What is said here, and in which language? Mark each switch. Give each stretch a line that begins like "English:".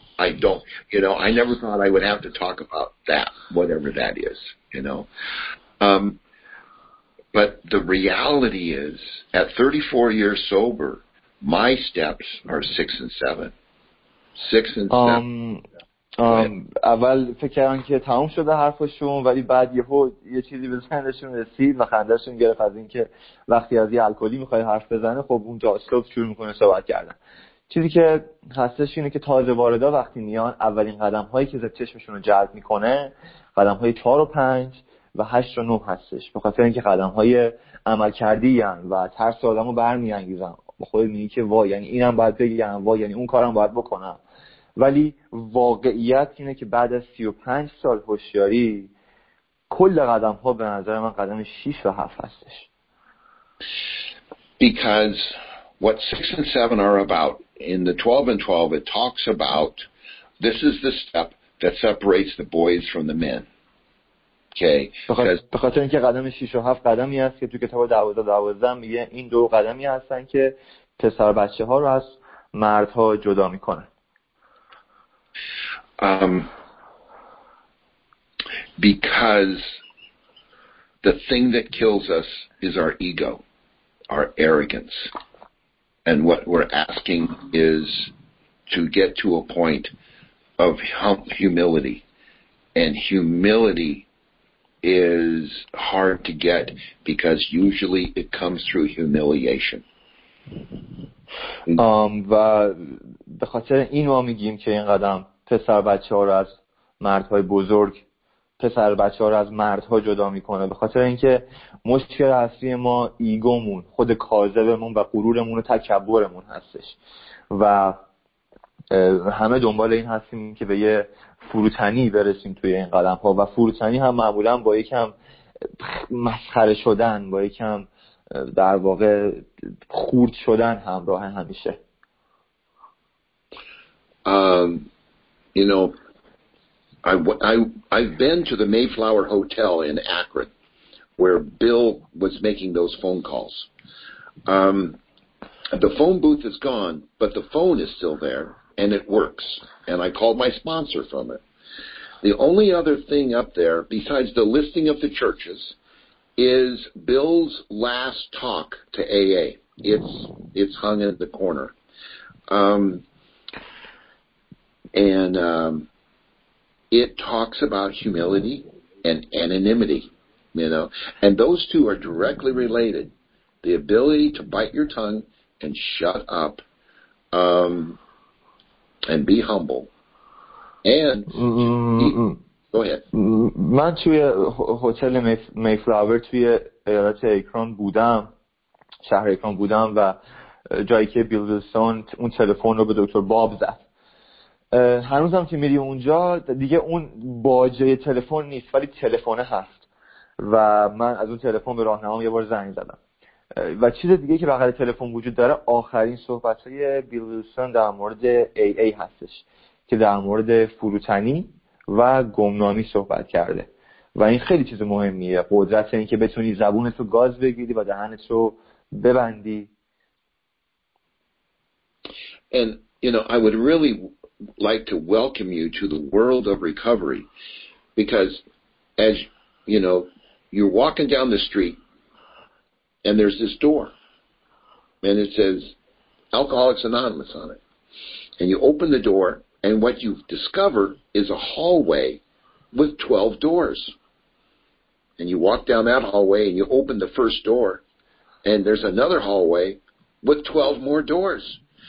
English: I don't, you know, I never thought I would have to talk about that, whatever that is, you know. But the reality is, at 34 years sober, my steps are 6 and 7. 6 and 7.
Persian: اول فکر کردم که تموم شده حرفشون، ولی بعد یهو یه چیزی به ذهنشون رسید و خندهشون گرفت از اینکه وقتی از یه الکلی میخوای حرف بزنه، خب اونجا اسلوب شروع میکنه صحبت کردن. چیزی که هستش اینه که تازه واردا وقتی میان، اولین قدم هایی که چشمشون رو جلب میکنه قدم های 4 و 5 و 8 و 9 هستش، به خاطر اینکه قدم های عمل کردی هن و ترس آدم رو برمیانگیزن. خود میگه که وا، یعنی اینم باید بگم، وا یعنی اون کارم باید بکنم. ولی واقعیت اینه که بعد از 35 سال هوشیاری، کل قدم ها به نظر من قدم 6 و 7 هستش.
English: Because what 6 and 7 are about, in the 12 and 12 it talks about, this is the step that separates the boys from the men. Okay.
Persian: به خاطر اینکه قدم 6 و 7 قدمی هست که تو کتاب 12 میگه این دو قدمی هستن که پسر بچه ها رو از مردها جدا میکنه.
English: Because the thing that kills us is our ego, our arrogance. And what we're asking is to get to a point of humility. And humility is hard to get because usually it comes through humiliation.
Persian: و به خاطر این ما میگیم که این قدم پسر بچه ها رو از مردهای بزرگ، پسر بچه ها رو از مردها جدا میکنه، به خاطر اینکه مشکل اصلی ما ایگومون، خود کاذبمون و غرورمون و تکبرمون هستش و همه دنبال این هستیم که به یه فروتنی برسیم توی این قدم ها. و فروتنی هم معمولا با یکم مسخره شدن، با یکم در واقع خورد شدن همراه همیشه.
English: You know, I've been to the Mayflower Hotel in Akron where Bill was making those phone calls. The phone booth is gone, but the phone is still there and it works, and I called my sponsor from it. The only other thing up there besides the listing of the churches is Bill's last talk to AA. It's hung in the corner. And it talks about humility and anonymity, you know. And those two are directly related. The ability to bite your tongue and shut up and be humble. And go ahead.
Persian: من توی هتل میفلاور توی ایالت ایکران بودم، شهر ایکران بودم، و جایی که بیل ویلسون اون تلفن رو به دکتر باب زد. هنوزم که میری اونجا دیگه اون باجه تلفن نیست، ولی تلفنه هست و من از اون تلفن به راهنمام یه بار زنگ زدم. و چیز دیگه که بغل تلفن وجود داره آخرین صحبت‌های بیل ویلسون در مورد AA هستش که در مورد فروتنی و گمنامی صحبت کرده و این خیلی چیز مهمیه، قدرت این که بتونی زبونتو گاز بگیری و دهنتو ببندی.
English: And you know, I would really like to welcome you to the world of recovery, because as you know, you're walking down the street and there's this door and it says Alcoholics Anonymous on it, and you open the door and what you discover is a hallway with 12 doors, and you walk down that hallway and you open the first door and there's another hallway with 12 more doors.